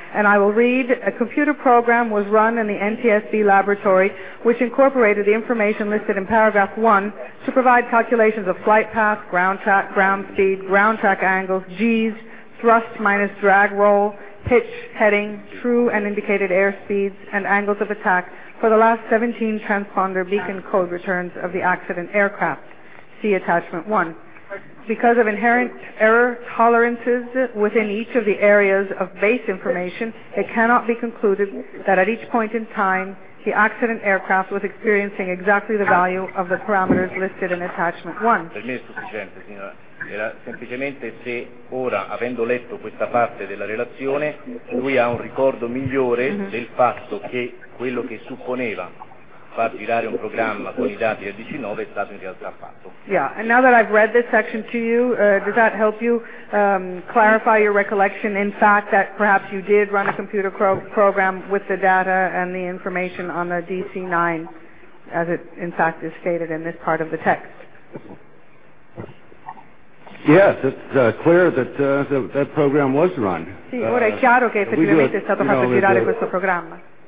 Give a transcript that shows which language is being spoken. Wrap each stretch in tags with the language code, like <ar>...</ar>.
<en>And I will read, a computer program was run in the NTSB laboratory, which incorporated the information listed in paragraph 1 to provide calculations of flight path, ground track, ground speed, ground track angles, G's, thrust minus drag roll, pitch, heading, true and indicated airspeeds, and angles of attack for the last 17 transponder beacon code returns of the accident aircraft, see attachment 1. Because of inherent error tolerances within each of the areas of base information, it cannot be concluded that at each point in time the accident aircraft was experiencing exactly the value of the parameters listed in attachment 1.</en> <it>Per me è sufficiente, signora. Era semplicemente se ora, avendo letto questa parte della relazione, lui ha un ricordo migliore del fatto che quello che supponeva far girare un programma con i dati del 19 è stato in realtà fatto.</it> <en>Yeah, and now that I've read this section to you, does that help you clarify your recollection in fact that perhaps you did run a computer program with the data and the information on the DC-9 as it in fact is stated in this part of the text? Yes, it's clear that that program was run.</en> <it>Sì, ora è chiaro che effettivamente è stato fatto girare questo programma.</it>